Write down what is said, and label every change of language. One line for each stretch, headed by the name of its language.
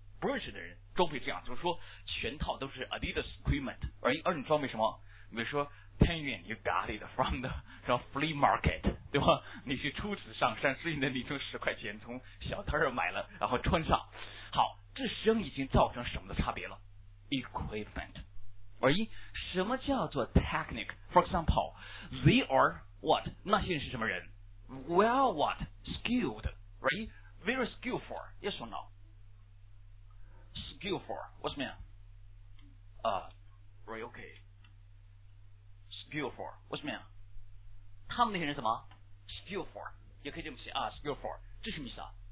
Chinese: 不认识的人装备这样就是说全套都是
English: Adidas equipment right
Chinese: 而你装备什么比如说
English: 10 yuan you got it from the
Chinese: 什么
English: flea market
Chinese: 对吧你是初次上山所以呢你从10块钱从小摊儿买了然后穿上好这声已经造成什么的差别了 equipmentOr, 什么叫做 technique?
English: For example, they are what?
Chinese: 那些人是什么人
English: Well, what? Skilled, right? Very skillful, yes or no? Skillful, what's mean? Right, okay. Skillful, what's mean?
Chinese: 他们那些人什么 ？Skillful, 也可以这么写啊 ，skillful， 这什么意思啊？